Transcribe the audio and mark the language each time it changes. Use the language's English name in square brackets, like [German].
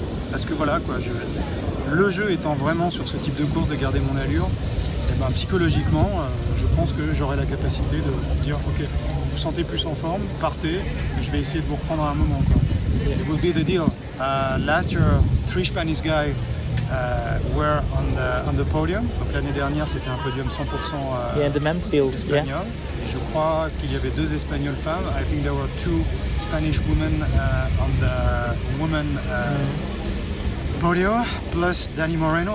[French] Parce que voilà quoi, le jeu étant vraiment sur ce type de course de garder mon allure. Ben, psychologiquement, je pense que j'aurai la capacité de dire ok, vous vous sentez plus en forme, partez, je vais essayer de vous reprendre à un moment. [English] Quoi. Yeah. It will be the deal. Last year, three Spanish guys were on the podium. [French] Donc l'année dernière, c'était un podium 100% [English] in the men's field, [French] espagnol. Yeah. Et je crois qu'il y avait deux espagnoles femmes. [English] I think there were two Spanish women on the women podium, plus Dani Moreno.